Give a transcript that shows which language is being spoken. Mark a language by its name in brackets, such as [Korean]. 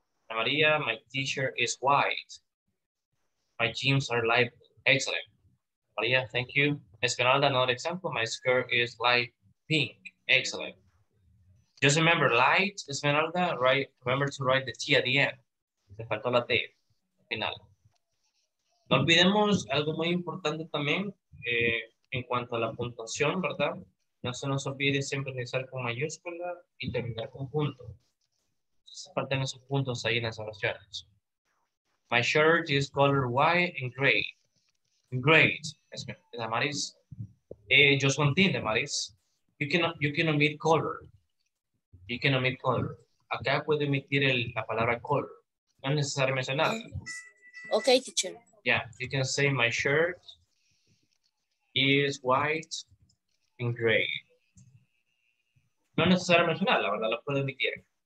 [English] Ana Maria, my t-shirt is white. My jeans are light. Excellent. Maria, thank you. Esmeralda, another example. My skirt is light pink. Excellent. Just remember, light, Esmeralda, right? Remember to write the T at the end. [Spanish] Se faltó la T al final. No olvidemos algo muy importante también en cuanto a la puntuación, ¿verdad? No se nos olvide siempre iniciar con mayúscula y terminar con punto. Se faltan esos puntos ahí en las oraciones. [English] My shirt is color white and gray. Great. Damaris, just one thing, Damaris. You can omit color. You can omit color. [Spanish] Acá puede omitir la palabra color. No es necesario mencionar. [English] Okay, teacher. Yeah, you can say my shirt is white and gray. [Spanish] No es necesario mencionar, la verdad, lo puede omitir.